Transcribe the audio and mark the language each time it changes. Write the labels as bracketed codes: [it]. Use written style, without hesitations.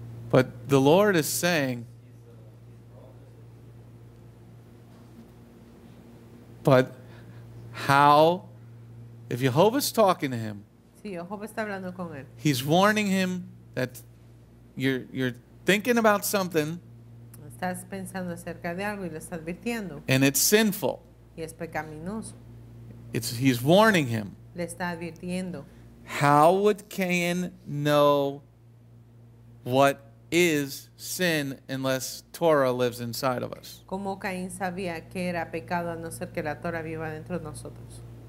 [en] But the Lord is saying, but how, if Jehovah's talking to him, [es] si Jehovah está hablando con él, [en] he's warning him that you're thinking about something, [es] estás pensando acerca de algo y lo estás advirtiendo, [en] and it's sinful. [es] Y es pecaminoso. [en] He's warning him. [es] Le está advirtiendo. [en] How would Cain know what is sin unless Torah lives inside of us? [es] ¿Cómo Caín sabía que era pecado a no ser que la Torah viva dentro de nosotros?